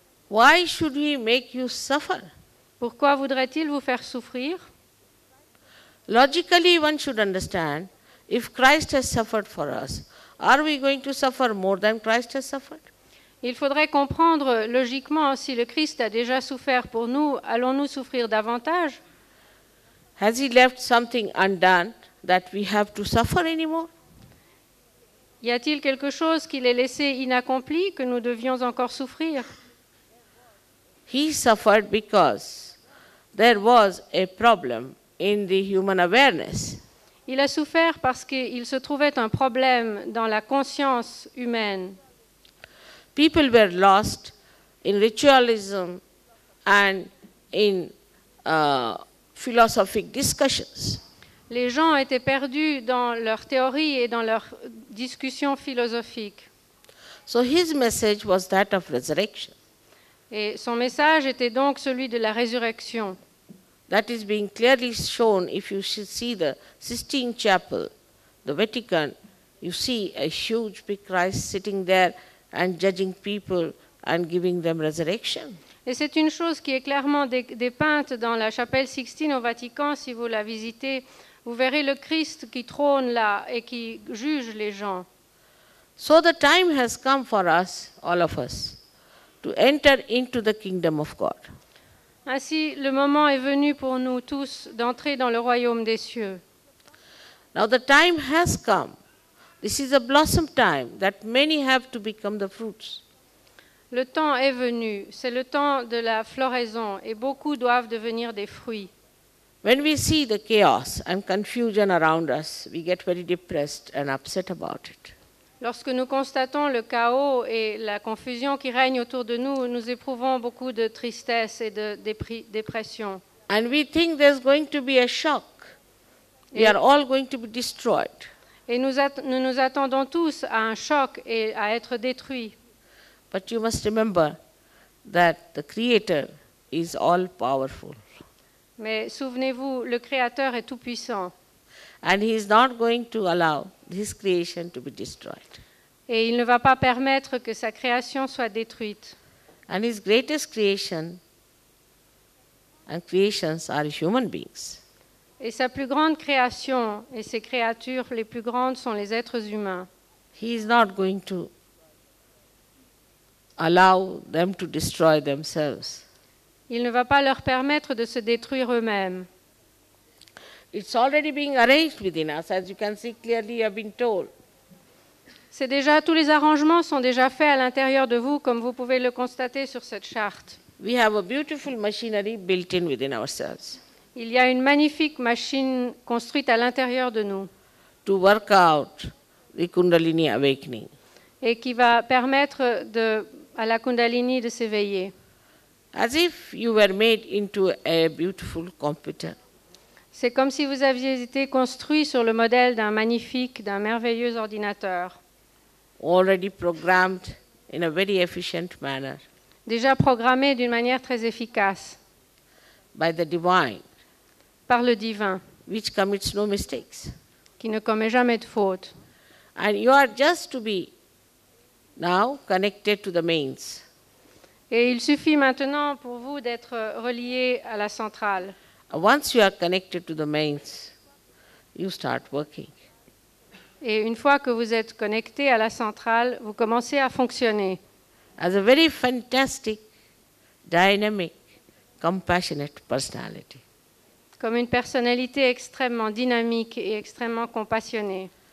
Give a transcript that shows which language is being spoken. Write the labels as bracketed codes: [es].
[en] Why should he make you suffer? [fr] Pourquoi voudrait-il vous faire souffrir? [en] Logically, one should understand, if Christ has suffered for us, are we going to suffer more than Christ has suffered? [fr] Il faudrait comprendre logiquement, si le Christ a déjà souffert pour nous, allons-nous souffrir davantage? [en] Has he left something undone? That we have to suffer anymore? [fr] Y a-t-il quelque chose qu'il ait laissé inaccompli que nous devions encore souffrir? [en] He suffered because there was a problem in the human awareness. [fr] Il a souffert parce qu'il se trouvait un problème dans la conscience humaine. [en] People were lost in ritualism and in philosophic discussions. [fr] Les gens étaient perdus dans leurs théories et dans leurs discussions philosophiques. [en] So his message was that of resurrection. [fr] Et son message était donc celui de la résurrection. [en] That is being clearly shown if you should see the Sistine Chapel, the Vatican. You see a huge big Christ sitting there and judging people and giving them resurrection. [fr] Et c'est une chose qui est clairement dépeinte dans la chapelle Sixtine au Vatican, si vous la visitez. Vous verrez le Christ qui trône là et qui juge les gens. [en] So the time has come for us, all of us, to enter into the kingdom of God. [fr] Ainsi, le moment est venu pour nous tous d'entrer dans le royaume des cieux. [en] Now the time has come. This is a blossom time that many have to become the fruits. [fr] Le temps est venu. C'est le temps de la floraison et beaucoup doivent devenir des fruits. [en] When we see the chaos and confusion around us, we get very depressed and upset about it. [fr] Lorsque nous constatons le chaos et la confusion qui règne autour de nous, nous éprouvons beaucoup de tristesse et de dépression. [en] And we think there's going to be a shock. We are all going to be destroyed. [fr] Et nous attendons tous à un choc et à être détruits. [en] But you must remember that the Creator is all powerful. [fr] Mais souvenez-vous, le Créateur est tout-puissant. [en] And he is not going to allow his creation to be destroyed. [fr] Et il ne va pas permettre que sa création soit détruite. [en] And his greatest creation and creations are human beings. [fr] Et sa plus grande création et ses créatures les plus grandes sont les êtres humains. [en] He is not going to allow them to destroy themselves. [fr] Il ne va pas leur permettre de se détruire eux-mêmes. [en] It's already being arranged within us, as you can see clearly, I've been told. [fr] C'est déjà, tous les arrangements sont déjà faits à l'intérieur de vous, comme vous pouvez le constater sur cette charte. [en] We have a beautiful machinery built in within ourselves. [fr] Il y a une magnifique machine construite à l'intérieur de nous. [en] To work out the Kundalini awakening. [fr] Et qui va permettre à la Kundalini de s'éveiller. [en] As if you were made into a beautiful computer. [fr] C'est comme si vous aviez été construit sur le modèle d'un magnifique, d'un merveilleux ordinateur. [en] Already programmed in a very efficient manner. [fr] Déjà programmé d'une manière très efficace. [en] By the divine. [fr] Par le divin. [en] Which commits no mistakes. [fr] Qui ne commet jamais de faute. [en] And you are just to be now connected to the mains. [fr] Et il suffit maintenant pour vous d'être relié à la centrale. [en] Once you are connected to the mains, you start working. [fr] Et une fois que vous êtes connecté à la centrale, vous commencez à fonctionner. [en] As a very fantastic, dynamic, compassionate personality. [fr] Comme une personnalité extrêmement dynamique et extrêmement compassionnée.